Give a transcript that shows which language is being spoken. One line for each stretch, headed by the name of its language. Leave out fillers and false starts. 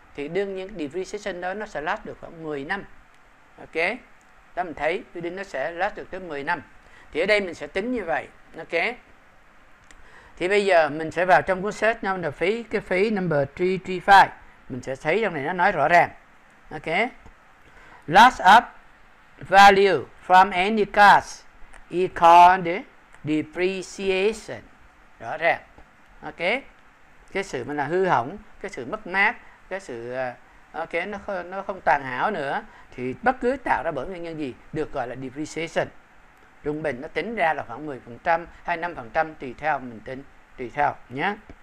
Vietnamese: Thì đương nhiên cái depreciation đó nó sẽ last được khoảng 10 năm. Ok, đó mình thấy building nó sẽ last được tới 10 năm. Thì ở đây mình sẽ tính như vậy. Ok, thì bây giờ mình sẽ vào trong cuốn sách nào là phí, cái phí number 335. Mình sẽ thấy trong này nó nói rõ ràng.
English: Ok, loss of value from any cost is called depreciation.
Vietnamese: Rõ ràng. Ok, cái sự mà là hư hỏng, cái sự mất mát, cái sự ok, nó không toàn hảo nữa, thì bất cứ tạo ra bởi nguyên nhân gì được gọi là depreciation. Trung bình nó tính ra là khoảng 10% hay 5% tùy theo mình tính, tùy theo nhé.